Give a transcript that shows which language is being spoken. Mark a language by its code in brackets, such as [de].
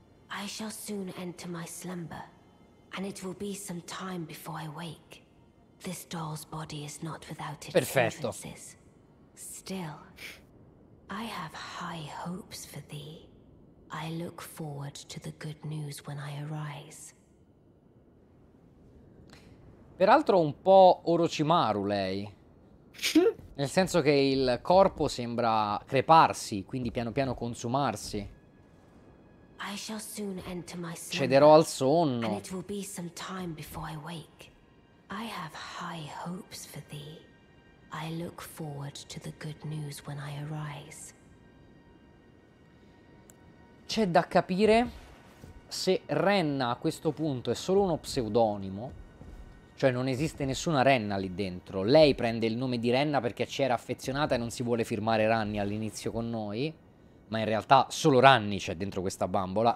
[en] I shall soon enter my slumber, and it will be some time before I wake. This doll's body is not without its differences. Still, I have high hopes for thee. I look forward to the good news when I arise. [it] Peraltro un po' Orochimaru lei. Nel senso che il corpo sembra creparsi, quindi piano piano consumarsi. [en] I shall soon enter my sleep. [it] Cederò al sonno. [en] And it will be some time before I wake. I have high hopes for thee. I look forward to the good news when I arise. [it] C'è da capire se Renna a questo punto è solo uno pseudonimo, cioè non esiste nessuna Renna lì dentro. Lei prende il nome di Renna perché ci era affezionata e non si vuole firmare Ranni all'inizio con noi, ma in realtà solo Ranni c'è dentro questa bambola.